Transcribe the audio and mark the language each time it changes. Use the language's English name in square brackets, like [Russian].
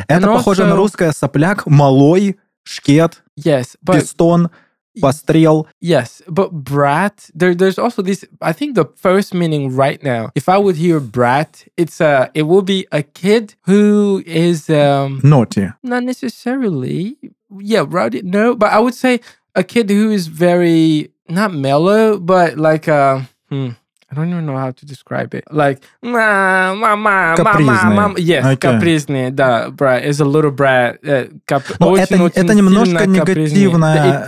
[Russian] Это похоже на русское сопляк, малой, шкет, [English] yes, [Russian] пистон, пострел. [English] Yes, but брат, there's also this, I think the first meaning right now, if I would hear брат, it will be a kid who is... Naughty. Not necessarily. Yeah, rowdy, no, but I would say... A kid who is very, not mellow, but like, I don't even know how to describe it. Like, yes, капризный, okay. [Russian] Да, [English] брат, is a little brat. [Russian] Это немножко негативное.